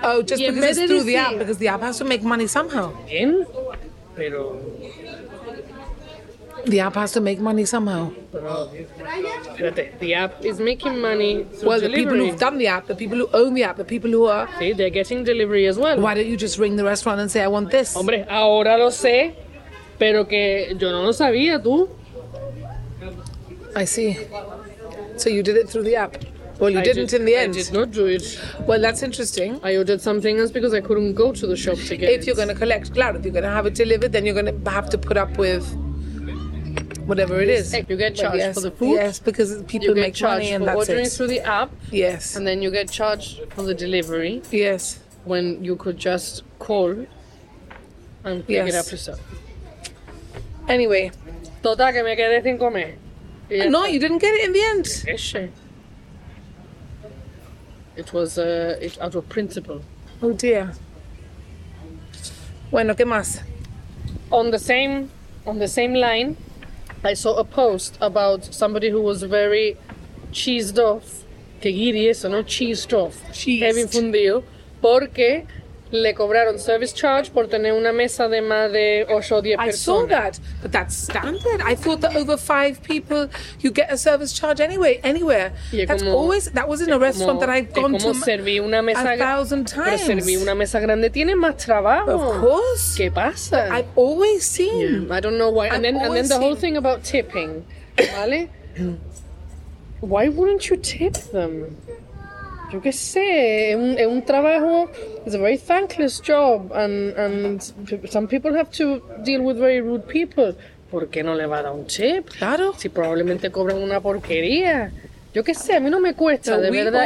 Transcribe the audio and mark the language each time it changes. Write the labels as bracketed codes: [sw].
[en] Oh, just y because it's through the app. Because the app has to make money somehow. [es] Bien. Pero... [en] The app has to make money somehow. The app is making money. Well, the delivery. People who've done the app, the people who own the app, the people who are... See, they're getting delivery as well. Why don't you just ring the restaurant and say, I want this? [es] Hombre, ahora lo sé, pero que yo no lo sabía, tú. [en] I see. So you did it through the app. Well, you didn't in the end. I did not do it. Well, that's interesting. I ordered something else because I couldn't go to the shop to get it. If you're going to collect, [es] claro, [en] if you're going to have it delivered, then you're going to have to put up with... Whatever it is. You get charged for the food. Yes, because people make money and that's it. You get charged for ordering through the app. Yes. And then you get charged for the delivery. Yes. When you could just call and pick it up yourself. Anyway. [es] Total, que me quedé sin comer. [en] No, you didn't get it in the end. It was out of principle. Oh, dear. [es] Bueno, ¿qué más? [en] On the same line... I saw a post about somebody who was very cheesed off. [es] Que guiri eso, ¿no? [en] Cheesed off. Cheesed. [es] Heavy fundido. Porque le cobraron service charge por tener una mesa de más de 8 o 10 personas. [en] I saw that, but that's standard. I thought that over 5 people, you get a service charge anyway, anywhere. That was in a restaurant that I've gone to 1,000 times. [es] Pero servir una mesa grande tiene más trabajo. [en] Of course. [es] ¿Qué pasa? [en] But I've always seen. Yeah. I don't know why. And then the whole thing about tipping, [es] ¿vale? [en] Why wouldn't you tip them? [es] Yo qué sé, es un trabajo, [en] it's a very thankless job, and some people have to deal with very rude people. [es] ¿Por qué no le va a dar un tip? Claro. Si probablemente cobran una porquería. Yo qué sé, a mí no me cuesta, de verdad.